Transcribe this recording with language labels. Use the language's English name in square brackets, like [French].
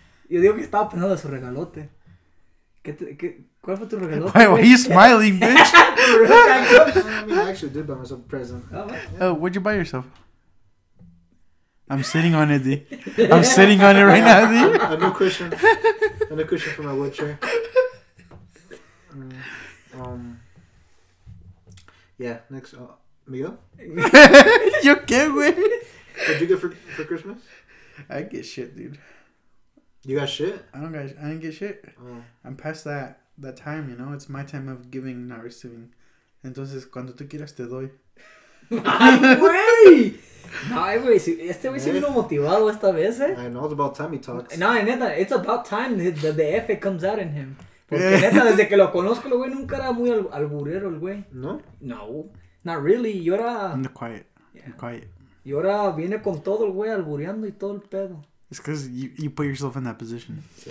[Spanish] Yo digo que estaba pensando de su regalote. ¿Cuál fue tu regalote? [English] Why are you smiling, bitch? I actually did buy myself a present. Oh, yeah. Oh, what'd you buy yourself? I'm sitting on it, D. I'm sitting on it right now, D. A new cushion. And a cushion for my wheelchair. Yeah, next. Miguel? You can't win. What'd you get for Christmas? I get shit, dude. You got shit? I didn't get shit. Oh. I'm past that time, you know? It's my time of giving, not receiving. [Spanish] Entonces, cuando tú quieras, te doy. ¡Ay, güey! Este güey se vino motivado esta vez, eh? [English] I know, it's about time he talks. No, neta, it's about time that the F comes out in him. [Spanish] Porque neta, desde que lo conozco, el güey nunca era muy alburero, el güey. ¿No? [English] No. Not really, [Spanish] yo era... [English] I'm quiet. Yeah. Quiet. [Spanish] Yo era, viene con todo el güey, albureando y todo el pedo. [English] It's because you put yourself in that position.